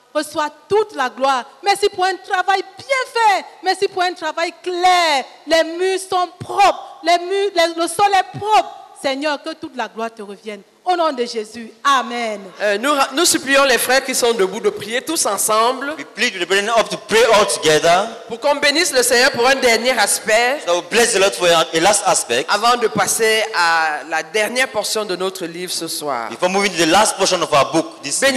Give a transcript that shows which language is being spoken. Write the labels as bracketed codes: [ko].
[fr] Reçois toute la gloire. Merci pour un travail bien fait. Merci pour un travail clair. Les murs sont propres. Le sol est propre. Seigneur, que toute la gloire te revienne. Au nom de Jésus. Amen. Nous supplions les frères qui sont debout de prier tous ensemble. [en] We plead with the brethren up to pray all together. [fr] Pour qu'on bénisse le Seigneur pour un dernier aspect. [en] So we bless the Lord for a last aspect. [fr] Avant de passer à la dernière portion de notre livre ce soir. [en] Before moving to the last portion of our book this evening.